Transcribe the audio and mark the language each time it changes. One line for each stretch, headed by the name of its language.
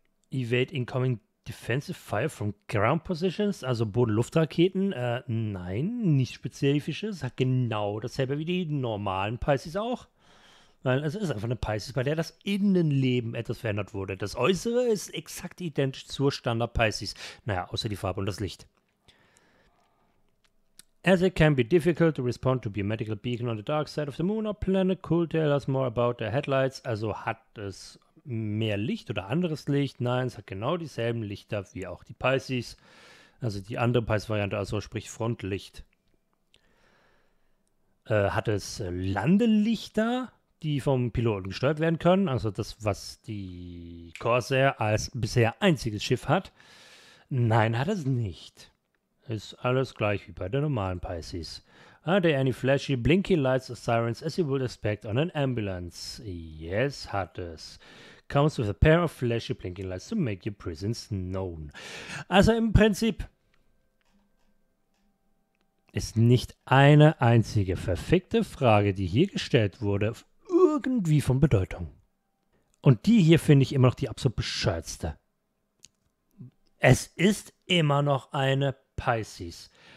English: Evade Incoming Defensive Fire from Ground Positions,
German: also Boden-Luft-Raketen, nein, nicht spezifisches, hat genau dasselbe wie die normalen Pisces auch, weil es ist einfach eine Pisces, bei der das Innenleben etwas verändert wurde. Das Äußere ist exakt identisch zur Standard-Pisces, naja, außer die Farbe und das Licht.
English: As it can be difficult to respond to be a medical beacon on the dark side of the moon or planet, could tell us more about the headlights,
German: also hat es mehr Licht oder anderes Licht? Nein, es hat genau dieselben Lichter wie auch die Pisces. Also die andere Pisces-Variante, also sprich Frontlicht. hat es Landelichter, die vom Piloten gesteuert werden können, also das, was die Corsair als bisher einziges Schiff hat. Nein, hat es nicht. Ist alles gleich wie bei der normalen Pisces.
English: Are there any flashy blinky lights or sirens as you would expect on an ambulance? Yes,
German: hat es.
English: Comes with a pair of flashy blinking lights to make your presence known.
German: Also im Prinzip ist nicht eine einzige verfickte Frage, die hier gestellt wurde, irgendwie von Bedeutung. Und die hier finde ich immer noch die absolut bescheuertste. Es ist immer noch eine Pisces.